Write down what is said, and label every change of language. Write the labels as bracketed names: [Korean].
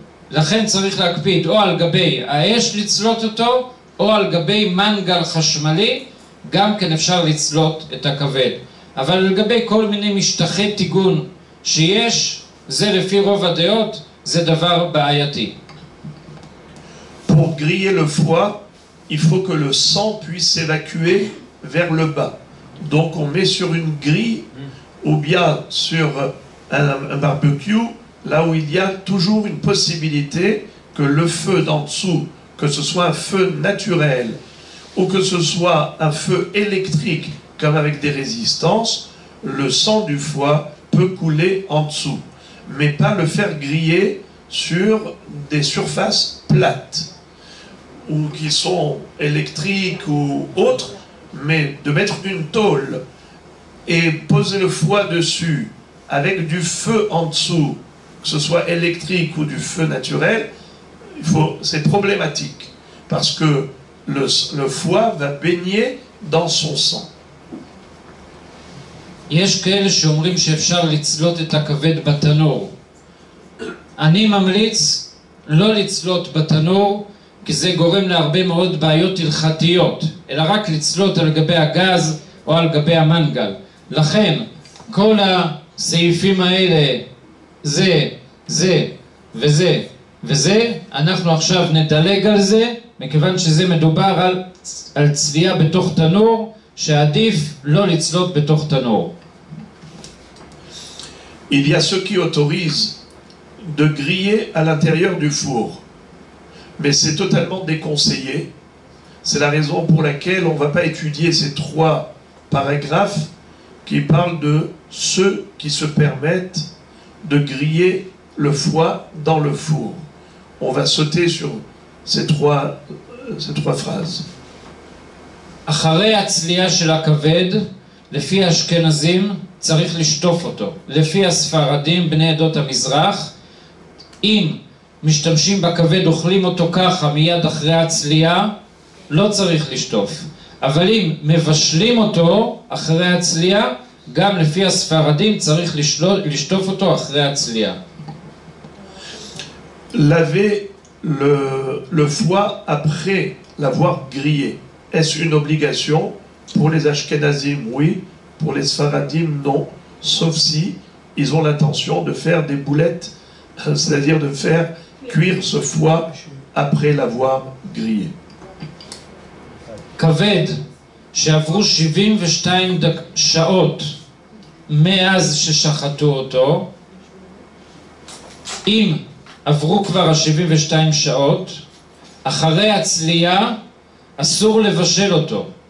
[Hebrew] לכן צריך להקפיד או על גבי האש לצלות אותו, או על גבי מנגל חשמלי, גם כן אפשר לצלות את הכבד. אבל על גבי כל מיני משטחי טיגון שיש, זה לפי רוב הדעות, זה דבר בעייתי. [French] Pour griller le foie, il faut que le sang puisse s'évacuer vers le bas. Donc on met sur une grille ou bien sur un barbecue, là où il y a toujours une possibilité que le feu d'en dessous, que ce soit un feu naturel ou que ce soit un feu électrique comme avec des résistances, le sang du foie peut couler en dessous. Mais pas le faire griller sur des surfaces plates ou qui sont électriques ou autres, mais de mettre une tôle et poser le foie dessus avec du feu en dessous, que ce soit électrique ou du feu naturel, c'est problématique parce que le foie va baigner dans son sang. [Hebrew] יש כאלה שאומרים שאפשר לצלות את הכבד בתנור. אני ממליץ לא לצלות בתנור, כי זה גורם להרבה מאוד בעיות הלכתיות, אלא רק לצלות על גבי הגז או על גבי המנגל. לכן, כל הסעיפים האלה, זה, זה, וזה, וזה, אנחנו עכשיו נדלג על זה, מכיוון שזה מדובר על, על צליה בתוך תנור, שעדיף לא לצלות בתוך תנור. [French] Il y a ceux qui autorisent de griller à l'intérieur du four. Mais c'est totalement déconseillé. C'est la raison pour laquelle on ne va pas étudier ces trois paragraphes qui parlent de ceux qui se permettent de griller le foie dans le four. On va sauter sur ces trois phrases. [Hebrew] אחרי הצליה של הכבד, לפי אשכנזים, צריך לשטוף אותו. לפי הספרדים, בני עדות המזרח, אם משתמשים בכבד, אוכלים אותו ככה מיד אחרי הצליה, לא צריך לשטוף. אבל אם מבשלים אותו אחרי הצליה, גם לפי הספרדים צריך לשטוף אותו אחרי הצליה. [French] Laver le foie après l'avoir grillé, est-ce une obligation pour les Ashkenazim? Oui. Pour les Sfaradim, non. Sauf si ils ont l'intention de faire des boulettes, c'est-à-dire de faire cuire ce foie après l'avoir grillé. [Hebrew] Kaved, שעברו 72 שעות מאז ששחטו אותו, אם עברו כבר 72 שעות, אחרי הצליה, אסור לבשל אותו.